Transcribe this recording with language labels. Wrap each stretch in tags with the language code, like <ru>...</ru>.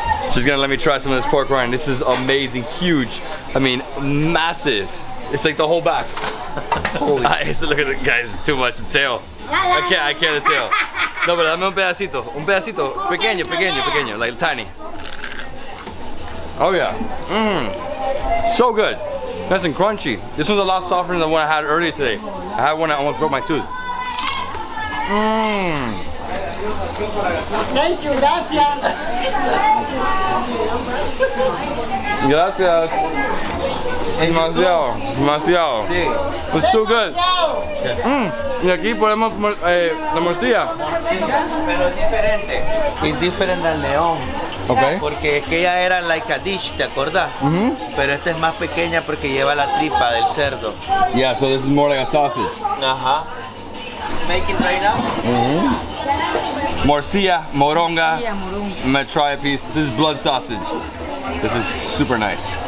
<en>She's gonna let me try some of this pork rind. This is amazing, huge. I mean, massive. It's like the whole back. Holy. Look at the guys, too much, the tail. I can't the tail.</en> <es>No, pero dame un pedacito, pequeño, pequeño, pequeño,</es> <en>like tiny. Oh yeah, so good. Nice and crunchy. This one's a lot softer than the one I had earlier today. I had one that almost broke my tooth. Thank you,</en> <es>gracias. Gracias. Demasiado, demasiado. Sí.</es> <en>It's too good.</en> <es>Y aquí ponemos la morcilla. Pero es diferente. Es diferente al león.</es> <en>Okay.</en> <es>Porque es que ella era</es> <en>like a dish,</en> <es>¿te acordás? Mm-hmm. Pero esta es más pequeña porque lleva la tripa del cerdo.</es> <en>Yeah, so this is more like a sausage. Ajá. It's making right now. Mm-hmm.</en> <es>Morcilla, moronga.</es> <en>Yeah, moronga. I'm gonna try a piece. This is blood sausage. This is super nice.</en>